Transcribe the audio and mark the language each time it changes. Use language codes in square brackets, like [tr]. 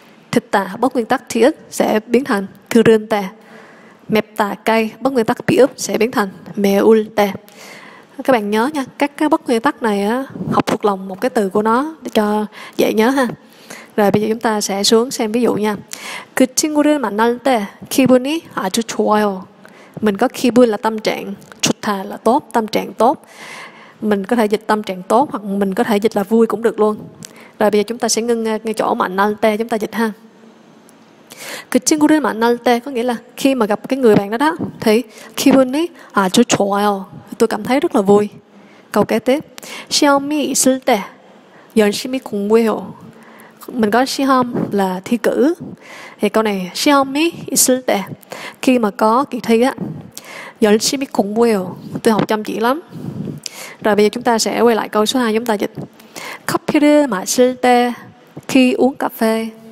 [vi] Thịt tà bất nguyên tắc thì ít sẽ biến thành kurun te. Mẹp tà cay bất nguyên tắc bị ướp sẽ biến thành mẹ ul te. Các bạn nhớ nha, các cái bất nguyên tắc này á, học thuộc lòng một cái từ của nó để cho dễ nhớ ha. Rồi bây giờ chúng ta sẽ xuống xem ví dụ nha. [ko] 그 친구를 만날 때 기분이 아주 좋아요. [vi] Mình có 기분 là tâm trạng, 좋다 là tốt, tâm trạng tốt. Mình có thể dịch tâm trạng tốt hoặc mình có thể dịch là vui cũng được luôn. Rồi bây giờ chúng ta sẽ ngưng ngay chỗ [ko] 만날 때 [vi] chúng ta dịch ha. [ko] 그 친구를 만날 때 [vi] có nghĩa là khi mà gặp cái người bạn đó đó thì [ko] 기분이 아주 좋아요. [vi] Tôi cảm thấy rất là vui. Câu kế tiếp. [ko] 시험이 있을 때 열심히 공부해요. [vi] Mình có 시험 là thi cử. Thì câu này [ko] 시험이 있을 때 [vi] khi mà có kỳ thi á. [ko] 열심히 공부해요. [vi] Tôi học chăm chỉ lắm. Rồi bây giờ chúng ta sẽ quay lại câu số 2 chúng ta dịch. [ko] 커피를 마실 때 [vi] khi uống cà phê.